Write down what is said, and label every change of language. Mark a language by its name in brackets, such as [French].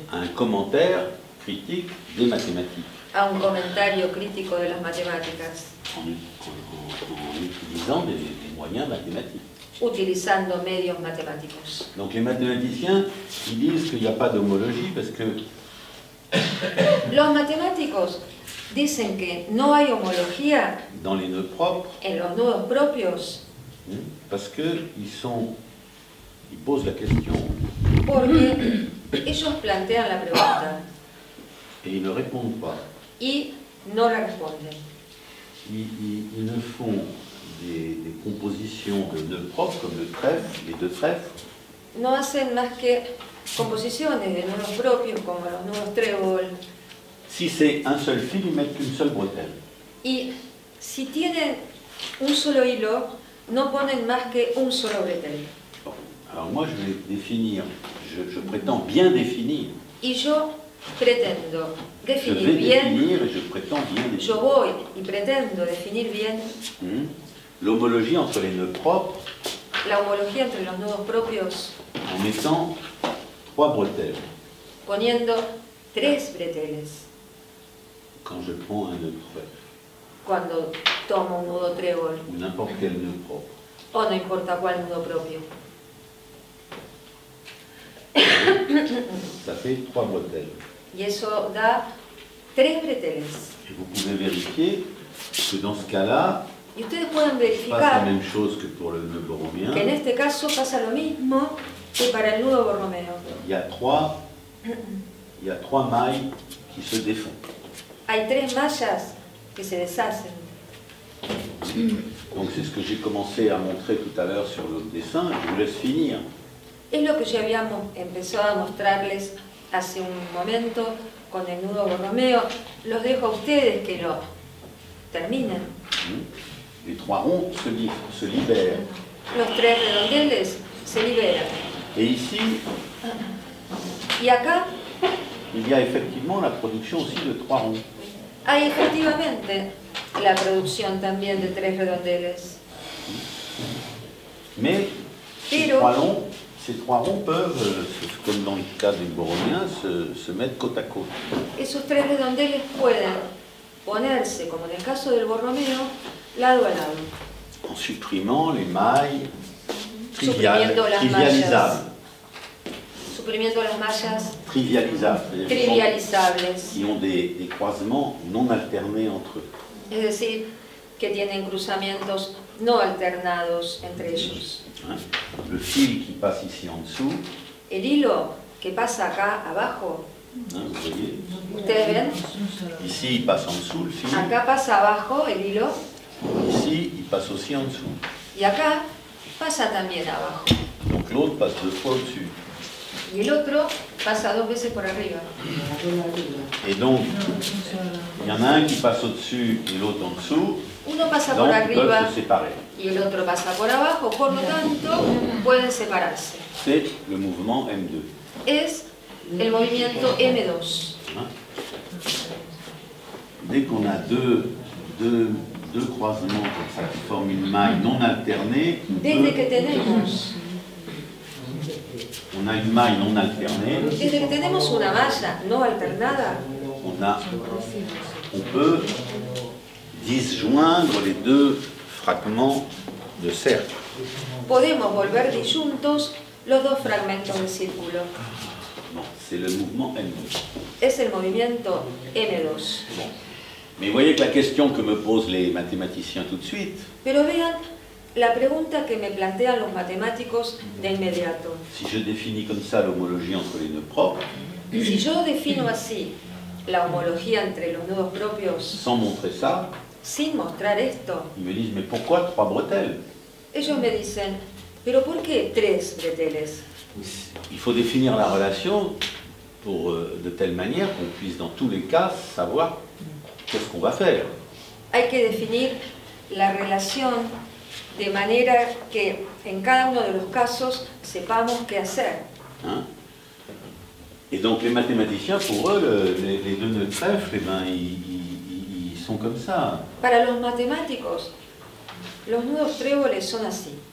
[French] A un commentaire critique des mathématiques. [Spanish] A un comentario crítico de las matemáticas. [French] En utilisant des moyens mathématiques. [Spanish] Utilizando medios matemáticos. [French] Donc les mathématiciens, ils disent qu'il n'y a pas d'homologie parce que [Spanish] los matemáticos dicen que no hay homología [French] dans les nœuds propres, [Spanish] en los nudos propios [French] parce que ils posent la question. [Spanish] Porque ellos plantean la pregunta [French] et ils ne répondent pas. [Spanish] Y no la responden. [French] Ils ne font des compositions de nœuds propres comme le trèfle, les deux trèfles. [Spanish] No hacen más que composiciones de nudos propios como los nudos trébol. [French] Si c'est un seul fil, ils mettent qu'une seule bretelle. [Spanish] Y si tienen un solo hilo, no ponen más que un solo bretel. [French] Bon. Alors moi je vais définir, je prétends bien définir. [Spanish] Y yo pretendo definir [French] Je prétends bien définir. L'homologie entre les nœuds propres. [Spanish] La homología entre los nudos propios. [French] En mettant trois bretelles. [Spanish] Poniendo tres bretelles. [French] Quand je prends un nœud trèfle. [Spanish] Cuando tomo un nudo trébol. [French] Ou n'importe quel nœud propre. [Spanish] O no importa cuál nudo propio. [French] Ça fait trois bretelles. [Spanish] Y eso da tres bretelles. [French] Et vous pouvez vérifier que dans ce cas-là, [Spanish] y ustedes pueden verificar pasa [French] la même chose que pour le nœud borromien. [Spanish] Que en este caso pasa lo mismo. [French] Et pour le [Spanish] nudo borromeo. [French] Il y a trois mailles qui se défont. [Spanish] Hay tres mallas que se deshacen. [French] Donc c'est ce que j'ai commencé à montrer tout à l'heure sur le dessin, je vous laisse finir. [Spanish] Es lo que ya habíamos empezado a mostrarles hace un momento con el nudo borromeo. Los dejo a ustedes que lo terminen. [French] Les trois ronds se libèrent. [Spanish] Los tres redondeles se liberan. [French] Et ici, [Spanish] y acá, [French] il y a effectivement la production aussi de trois ronds. [Spanish] Hay efectivamente la producción también de tres redondeles. [French] Mais ces trois ronds peuvent, comme dans le cas des borromiens, se mettre côte à côte. [Spanish] Esos tres redondeles pueden ponerse, como en el caso del borromeo, lado a lado. [French] En supprimant les mailles trivialisables. [Spanish] suprimiendo las mallas trivializables, trivializables. [French] Y ont des croisements non alternés entre eux. [Spanish] Es decir, que tienen cruzamientos no alternados entre ellos. [French] Le fil qui passe ici en dessous. [Spanish] El hilo que pasa acá abajo. Ustedes ven. [French] Ici il passe en dessous le fil. [Spanish] Acá pasa abajo el hilo. [French] Ici il passe aussi en dessous. [Spanish] Y acá pasa también abajo. [French] Donc l'autre passe deux fois au-dessus. [Spanish] Y el otro pasa dos veces por arriba. [French] Et donc il y en a un qui passe au-dessus et l'autre en dessous. [Spanish] Uno pasa [French] donc, [Spanish] por arriba [French] se séparer. [Spanish] Y el otro pasa por abajo, por lo tanto pueden separarse. [French] C'est le mouvement M2. [Spanish] Es el movimiento M2. [French] Hein? Dès qu'on a deux croisements comme ça qui forment une maille non alternée. Dès que [Spanish] tenemos. [French] On a une maille non alternée. [Spanish] Desde que tenemos una malla no alternada. [French] On peut disjoindre les deux fragments de cercle. [Spanish] Podemos volver disjuntos los dos fragmentos de círculo. [French] Bon, c'est le mouvement M2. [Spanish] Es el movimiento M2. [French] Bon. Mais voyez que la question que me posent les mathématiciens tout de suite. [Spanish] Pero vean la pregunta que me plantean los matemáticos de inmediato. [French] Si je définis comme ça l'homologie entre les nœuds propres. [Spanish] Si yo defino así la homología entre los nudos propios. [French] Sans montrer ça. [Spanish] Sin mostrar esto. [French] Ils me disent, mais pourquoi trois bretelles? [Spanish] Ellos me dicen, pero ¿por qué tres bretelles? [French] Il faut définir la relation pour, de telle manière qu'on puisse dans tous les cas savoir qu'est-ce qu'on va faire. [Spanish] Hay que definir la relación de manera que en cada uno de los casos sepamos qué hacer. [French] Hein? Et donc les mathématiciens, pour eux, les deux nœuds trèfles, eh ben, ils sont comme ça. [Spanish] Para los matemáticos, los nudos tréboles son así.